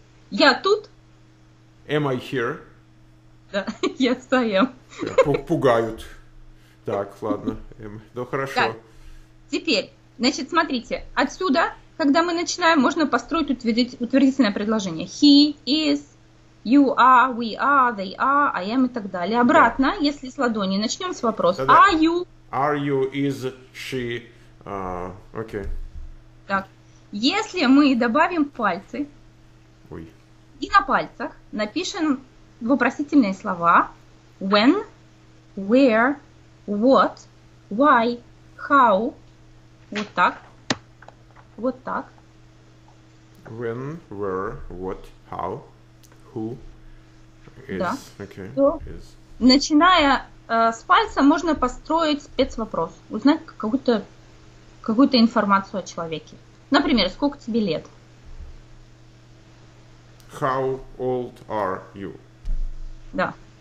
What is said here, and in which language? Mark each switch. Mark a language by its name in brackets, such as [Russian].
[Russian] Я тут. [English] Am I here? [Russian] Да, я стою. Пугают. Так, ладно. Ну, хорошо. Так, теперь, значит, смотрите. Отсюда, когда мы начинаем, можно построить утвердительное предложение. [English] He is, you are, we are, they are, I am [Russian] и так далее. Обратно, да. Если с ладони, начнем с вопроса. Да-да. [English] Are you? Are you, is, she? Окей. [Russian] Так, если мы добавим пальцы, ой. И на пальцах напишем вопросительные слова. [English] When, where, what, why, how. [Russian] Вот так. Вот так. [English] When, where, what, how, who, is. [Russian] Да. [English] Okay. Is. [Russian] Начиная с пальца, можно построить спецвопрос. Узнать какую-то информацию о человеке. Например, сколько тебе лет? [English] How old are you? [Russian] Да.